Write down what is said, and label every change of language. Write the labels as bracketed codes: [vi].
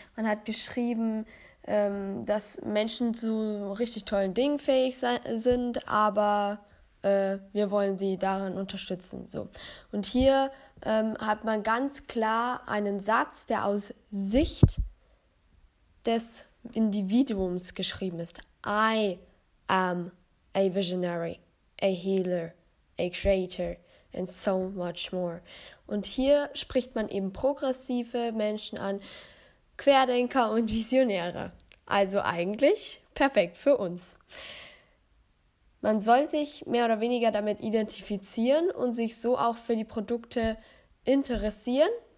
[de] Man hat geschrieben, dass Menschen zu richtig tollen Dingen fähig sind, aber wir wollen sie darin unterstützen. So. Und hier hat man ganz klar einen Satz, der aus Sicht des Individuums geschrieben ist. [en] I am a visionary, a healer, a creator and so much more. [de] Und hier spricht man eben progressive Menschen an, Querdenker und Visionäre. Also eigentlich perfekt für uns. Man soll sich mehr oder weniger damit identifizieren und sich so auch für die Produkte interessieren.